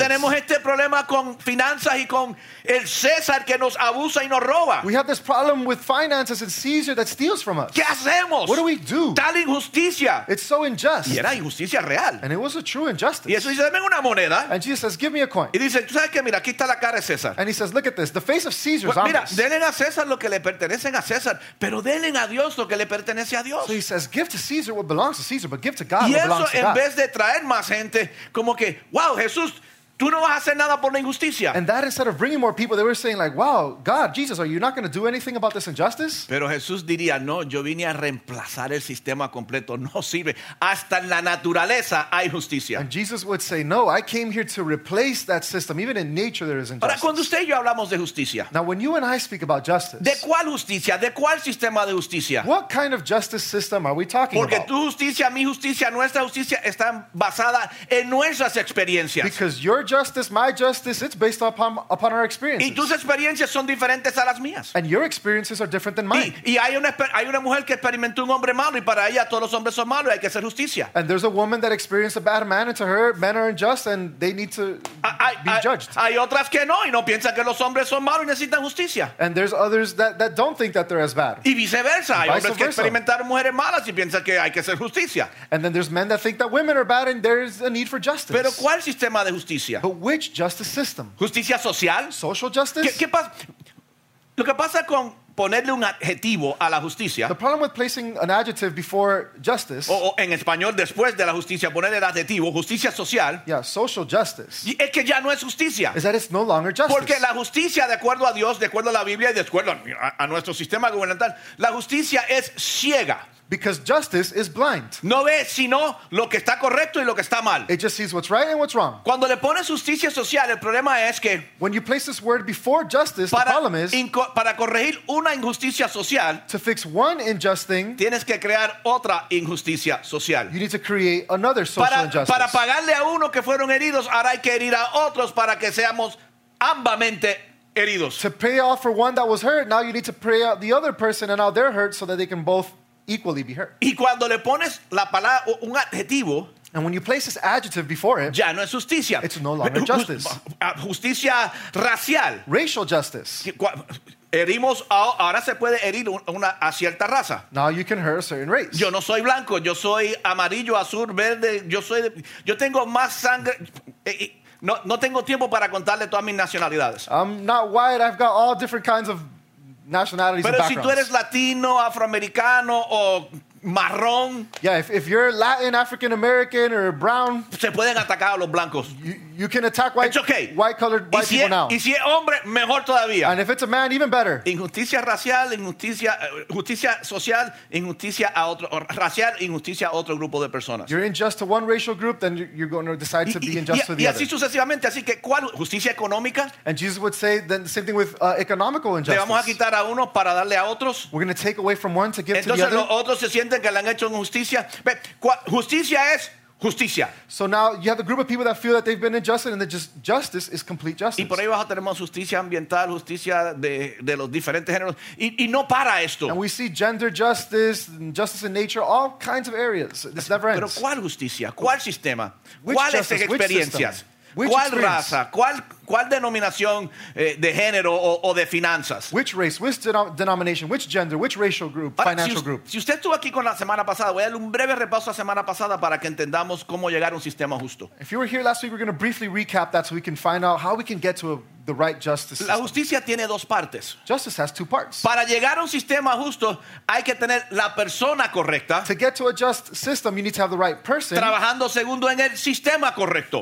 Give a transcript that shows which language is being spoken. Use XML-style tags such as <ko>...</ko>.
<es>tenemos este problema con finanzas y con el César que nos abusa y nos roba.</es> <en>We have this problem with finances and Caesar that steals from us.</en> <es>¿Qué hacemos?</es> <en>What do we do?</en> <es>Tal injusticia.</es> <en>It's so unjust.</en> <es>Y era injusticia real.</es> <en>And it was a true injustice.</en> <es>Y eso dice, dame una moneda.</es> <en>And Jesus says, give me a coin.</en> <es>Y dice, ¿tú sabes qué? Mira, aquí está la cara de César.</es> <en>And he says, look at this. The face of Caesar is on this.</en> <es>Mira, denle a César lo que le pertenecen a César, pero denle a Dios lo que le pertenece a Dios.</es> <en>So he says, give to Caesar what belongs to Caesar, but give to God</en> <es>y</es> <en>what belongs to God.</en> <es>Y eso en vez de traer más gente, como que, wow, Jesús, tú no vas a hacer nada por la injusticia.</es> <en>And that instead of bringing more people, they were saying like, wow, God, Jesus, are you not going to do anything about this injustice?</en> <es>Pero Jesús diría, no, yo vine a reemplazar el sistema completo. No sirve. Hasta en la naturaleza hay justicia.</es> <en>And Jesus would say, no, I came here to replace that system. Even in nature there is injustice.</en> <es>Ahora, cuando usted y yo hablamos de justicia.</es> <en>Now, when you and I speak about justice.</en> <es>¿De cuál justicia? ¿De cuál sistema de justicia?</es> <en>What kind of justice system are we talking</en> <es>Porque</es> <en>about?</en> <es>Porque tu justicia, mi justicia, nuestra justicia están basadas en nuestras experiencias.</es> <en>Because your justice, my justice, it's based upon our experiences.</en> <es>Y tus experiencias son diferentes a las mías.</es> <en>And your experiences are different than mine.</en> <es>Y hay una mujer que experimentó un hombre malo y para ella todos los hombres son malos y hay que hacer justicia.</es> <en>And there's a woman that experienced a bad man and to her men are unjust and they need to be judged.</en> <es>Hay otras que no y no piensan que los hombres son malos y necesitan justicia.</es> <en>And there's others that don't think that they're as bad.</en> <es>Y viceversa, hay hombres que experimentaron mujeres malas y piensan que hay que hacer justicia.</es> <en>And then there's men that think that women are bad and there's a need for justice.</en> <es>Pero ¿cuál sistema de justicia?</es> <en>But which justice system?</en> <es>Justicia social?</es> <en>Social justice?</en> <es>¿Qué pasa? Lo que pasa con ponerle un adjetivo a la justicia.</es> <en>The problem with placing an adjective before justice.</en> <es>O en español, después de la justicia, poner el adjetivo, justicia social.</es> <en>Yeah, social justice.</en> <es>Es que ya no es justicia.</es> <en>Is that it's no longer justice.</en> <es>Porque la justicia, de acuerdo a Dios, de acuerdo a la Biblia y de acuerdo a nuestro sistema gubernamental, la justicia es ciega.</es> <en>Because justice is blind.</en> <es>No ve sino lo que está correcto y lo que está mal.</es> <en>It just sees what's right and what's wrong.</en> <es>Cuando le pones justicia social, el problema es que</es> <en>when you place this word before justice, the problem is</en> <es>para corregir una injusticia social,</es> <en>to fix one unjust thing,</en> <es>tienes que crear otra injusticia social.</es> <en>You need to create another social injustice.</en> <es>Para pagarle a uno que fueron heridos, ahora hay que herir a otros para que seamos ambamente heridos.</es> <en>To pay off for one that was hurt, now you need to pay out the other person and now they're hurt so that they can both equally be hurt.</en> <es>Y cuando le pones la palabra un adjetivo,</es> <en>and when you place this adjective before it,</en> <es>ya no es justicia.</es> <en>It's no longer justice.</en> <es>Justicia racial.</es> <en>Racial justice.</en> <es>Herimos ahora se puede herir una a cierta raza.</es> <en>Now you can hurt a certain race.</en> <es>Yo no soy blanco, yo soy amarillo, azul, verde, yo tengo más sangre. No tengo tiempo para contarle todas mis nacionalidades.</es> <en>I'm not white, I've got all different kinds of nationalities.</en> <es>Pero</es> <en>and</en> <es>si tú eres latino, afroamericano o marrón,</es> <en>yeah, if you're Latin, African American or brown,</en> <es>se pueden atacar a los blancos.</es> <en>You can attack white, okay. White colored white</en> <es>y si</es> <en>people</en> <es>es,</es> <en>now.</en> <es>Y si es hombre, mejor todavía.</es> <en>And if it's a man, even better.</en> <es>Injusticia racial, injusticia social, injusticia a otro racial, injusticia a otro grupo de personas.</es> <en>You're unjust to one racial group, then you're going to decide to be unjust to the other.</en> <es>Y así sucesivamente. Así que ¿cuál justicia económica?</es> <en>And Jesus would say then the same thing with economical injustice.</en> <es>Le vamos a quitar a uno para darle a otros.</es> <en>We're going to take away from one to give</en> <es>Entonces,</es> <en>to the other.</en> <es>Entonces los otros se sienten que le han hecho injusticia. Justicia es justicia.</es> <en>So now you have a group of people that feel that they've been unjustified and that just justice is complete justice.</en> <es>Y por ahí abajo tenemos justicia ambiental, justicia de los diferentes géneros. Y no para esto.</es> <en>And we see gender justice, justice in nature, all kinds of areas. This never ends.</en> <es>Pero ¿cuál justicia? ¿Cuál sistema? ¿Cuáles experiencias?</es> <en>Which</en> <es>¿cuál</es> <en>experience?</en> <es>Raza? ¿Cuál denominación de género o de finanzas?</es> <en>Which race, which denomination, which gender, which racial group, financial group?</en> <es>Si usted estuvo aquí con la semana pasada, voy a darle un breve repaso a la semana pasada para que entendamos cómo llegar a un sistema justo.</es> <en>If you were here last week, we're going to briefly recap that so we can find out how we can get to the right justice system.</en> <es>La justicia tiene dos partes.</es> <en>Justice has two parts.</en> <es>Para llegar a un sistema justo, hay que tener la persona correcta.</es> <en>To get to a just system, you need to have the right person.</en> <es>Trabajando segundo en el sistema correcto.</es>